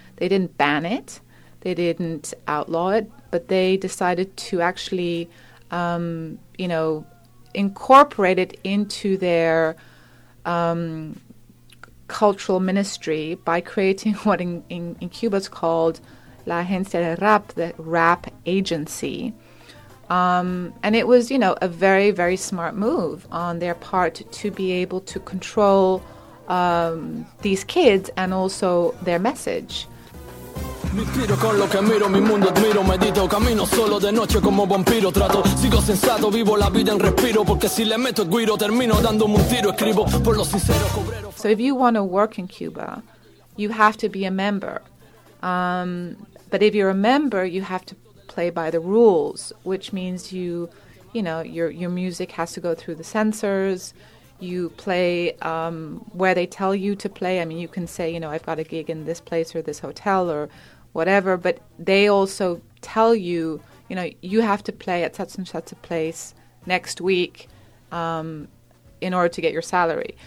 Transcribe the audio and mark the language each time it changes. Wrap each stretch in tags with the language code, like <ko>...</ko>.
<en>They didn't ban it, they didn't outlaw it, but they decided to actually, you know, incorporate it into their cultural ministry by creating what in Cuba is called La Agencia de Rap, the rap agency. And it was, you know, a very, very smart move on their part to be able to control these kids and also their message.</en> <es>Mi tiro con lo que miro, mi mundo admiro, medito, camino solo de noche como vampiro, trato, sigo sensato, vivo la vida en respiro, porque si le meto el guiro, termino dándome un tiro, escribo por los sinceros cobreros.</es> <en>So if you want to work in Cuba, you have to be a member. But if you're a member, you have to play by the rules, which means you, you know, your music has to go through the censors. You play where they tell you to play. I mean, you can say, you know, I've got a gig in this place or this hotel or whatever, but they also tell you, you know, you have to play at such and such a place next week in order to get your salary.</en>